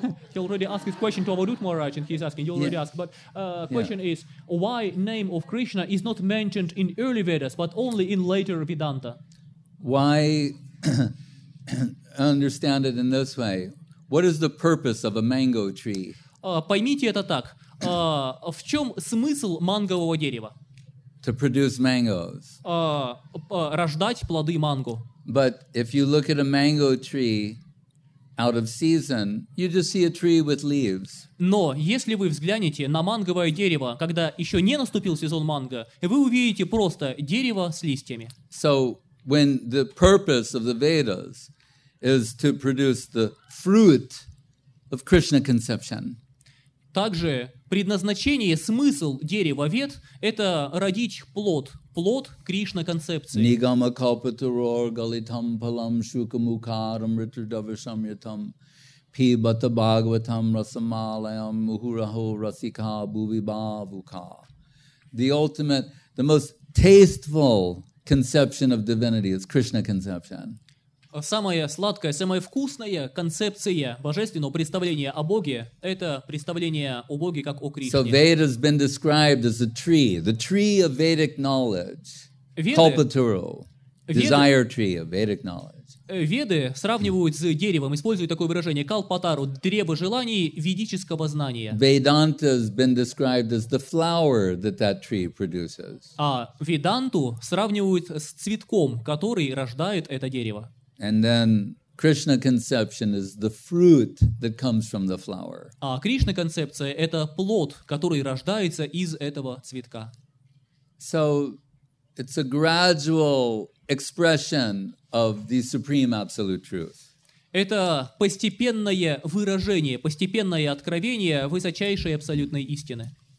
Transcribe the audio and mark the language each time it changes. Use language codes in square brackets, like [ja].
[en] He already asked his question to Avadhut Maharaj, and he's asking, you already asked, but question is, why name of Krishna is not mentioned in early Vedas, but only in later Vedanta? Why, understand it in this way, what is the purpose of a mango tree? [ru] Поймите это так, в чем смысл мангового дерева? [en] To produce mangoes. [ru] Рождать плоды манго. [en] But if you look at a mango tree out of season, you just see a tree with leaves. [ru] Но если вы взглянете на манговое дерево, когда еще не наступил сезон манго, вы увидите просто дерево с листьями. [en] So when the purpose of the Vedas is to produce the fruit of Krishna conception. [ru] Также предназначение, смысл дерева вед — это родить плод, плод Кришна-концепции. [sa] Нигама калпатурор галитам палам шукамукарам ритрдавишамьятам пибата бхагаватам расамалаям мухураху расика бувибавука. [en] The ultimate, the most tasteful conception of divinity is Krishna conception. [ru] Самая сладкая, самая вкусная концепция божественного представления о Боге — это представление о Боге как о Кришне. [en] So Veda has been described as a tree, the tree of Vedic knowledge, kalpaturu, desire tree of Vedic knowledge. [ru] Веды сравнивают с деревом, используют такое выражение, калпатару, древо желаний ведического знания. [en] Vedanta has been described as the flower that that tree produces. [ru] А Веданту сравнивают с цветком, который рождает это дерево. [en] And then Krishna conception is the fruit that comes from the flower. [ru] А Кришна концепция — это плод, который рождается из этого цветка. [en] So it's a gradual expression of the Supreme Absolute Truth. [ru] Это постепенное выражение, постепенное откровение высочайшей абсолютной истины.